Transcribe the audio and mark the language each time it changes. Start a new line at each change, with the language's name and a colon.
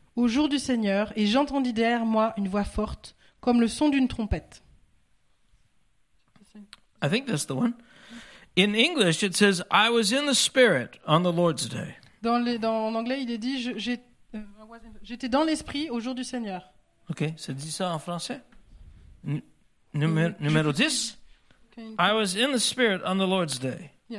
French: au jour du Seigneur, et j'entendis derrière moi une voix forte, comme le son d'une trompette.
English: I think that's the one. In English, it says, I was in the Spirit on the Lord's Day.
French: En anglais, il est dit, j'étais dans l'Esprit au jour du Seigneur. Ok, ça dit ça en français? Numéro 10?
English: I was in the Spirit on the Lord's Day.